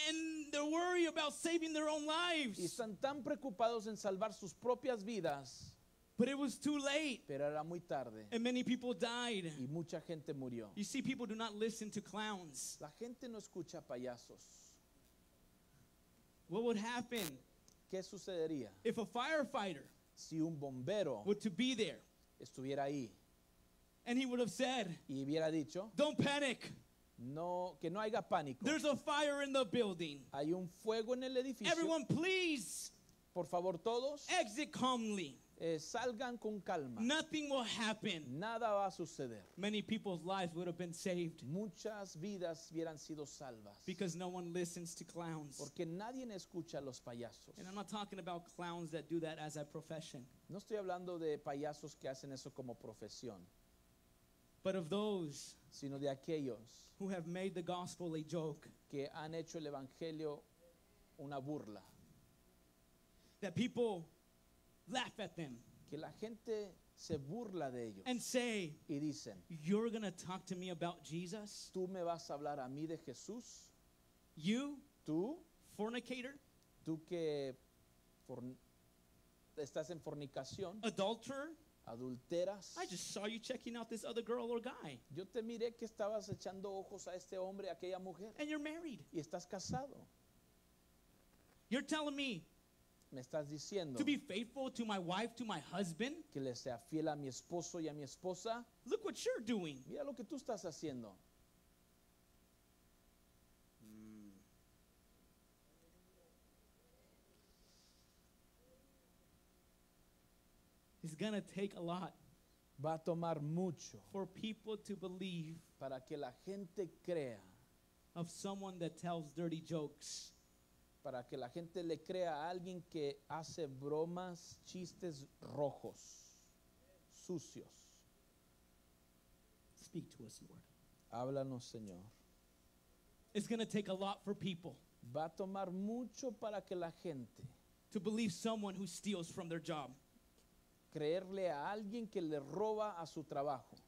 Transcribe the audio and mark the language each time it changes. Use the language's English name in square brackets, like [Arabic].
[English] And they're worried about saving their own lives. [Spanish] Y están tan preocupados en salvar sus propias vidas. [English] But it was too late. [Spanish] Pero era muy tarde. [English] And many people died. [Spanish] Y mucha gente murió. [English] You see, people do not listen to clowns. [Spanish] La gente no escucha a payasos. [English] What would happen? [Spanish] ¿Qué sucedería? [English] If a firefighter, [Spanish] si un bombero, [English] were to be there, [Spanish] estuviera ahí, [English] and he would have said, [Spanish] y hubiera dicho, [English] don't panic. [Spanish] No, que no haya pánico. [English] There's a fire in the building. [Spanish] Hay un fuego en el edificio. [English] Everyone, please. [Spanish] Por favor, todos. [English] Exit calmly. [Spanish] Salgan con calma. [English] Nothing will happen. [Spanish] Nada va a suceder. [English] Many people's lives would have been saved. [Spanish] Muchas vidas hubieran sido salvas. [English] Because no one listens to clowns. [Spanish] Porque nadie escucha a los payasos. [English] And I'm not talking about clowns that do that as a profession. [Spanish] No estoy hablando de payasos que hacen eso como profesión. [English] But of those, [Spanish] sino de aquellos, [English] who have made the gospel a joke. [Spanish] Que han hecho el evangelio una burla. [English] That people laugh at them. [Spanish] Que la gente se burla de ellos. [English] And say, [Spanish] y dicen, [English] you're going to talk to me about Jesus? [Spanish] Tú me vas a hablar a mí de Jesús? [English] You? [Spanish] Tú? [English] Fornicator? [Spanish] Tú que estás en fornicación? [English] Adulterer? [Spanish] Adulteras? [English] I just saw you checking out this other girl or guy. [Spanish] Yo te miré que estabas echando ojos a este hombre, a aquella mujer. [English] And you're married. [Spanish] Y estás casado. [English] You're telling me, [Spanish] me estás diciendo, [English] to be faithful to my wife, to my husband. [Spanish] Que le sea fiel a mi esposo y a mi esposa. [English] Look what you're doing. [Spanish] Mira lo que tú estás haciendo. [English] It's gonna take a lot. [Spanish] Va a tomar mucho. [English] For people to believe. [Spanish] Para que la gente crea. [English] Of someone that tells dirty jokes. [Spanish] Para que la gente le crea a alguien que hace bromas, chistes rojos, sucios. [English] Speak to us, Lord. [Spanish] Háblanos, Señor. [English] It's going to take a lot for people. [Spanish] Va a tomar mucho para que la gente. [English] To believe someone who steals from their job. [Spanish] Creerle a alguien que le roba a su trabajo.